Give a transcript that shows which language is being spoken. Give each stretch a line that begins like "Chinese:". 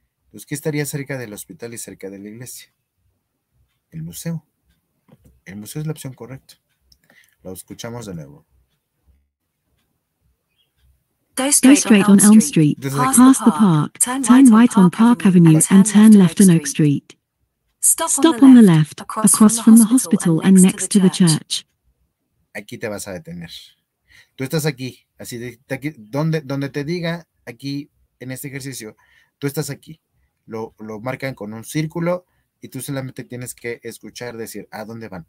Spanish: Pues, ¿qué estaría cerca del hospital y cerca de la iglesia? El museo. El museo es la opción correcta. Lo escuchamos de nuevo.
English: Go straight on Elm Street. Pass the park, turn right on Park Avenue, and turn left on Oak Street. Stop on the left, across from the hospital and next to the church.
Spanish: Aquí te vas a detener. Tú estás aquí, así de aquí, donde te diga aquí en este ejercicio, tú estás aquí. Lo marcan con un círculo y tú solamente tienes que escuchar decir a dónde van.